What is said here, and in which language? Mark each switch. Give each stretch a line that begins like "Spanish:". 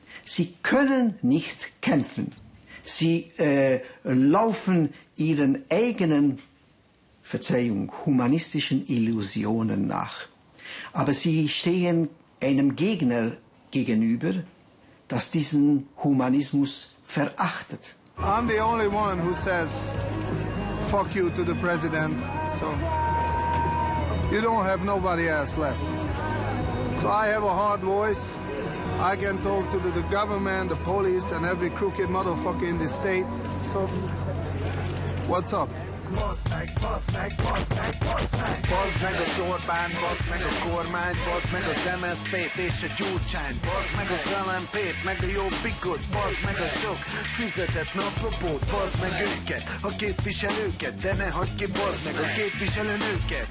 German: Sie können nicht kämpfen. Sie laufen ihren eigenen, Verzeihung, humanistischen Illusionen nach. Aber sie stehen einem Gegner gegenüber, das diesen Humanismus verachtet.
English: I'm the only one who says fuck you to the president. So you don't have nobody else left. So I have a hard voice. I can talk to the government, the police and every crooked motherfucker in this state. So what's up?
Hungarian: Bazd meg az Orbán, bazd meg a kormány, bazd meg az MSZP-t és a Gyurcsány, bazd meg az LMP-t, meg a Jobbikot, bazd meg a sok fizetett napropót, bazd meg őket, a képviselőket, de ne hagyd ki, bazd meg a képviselőnőket.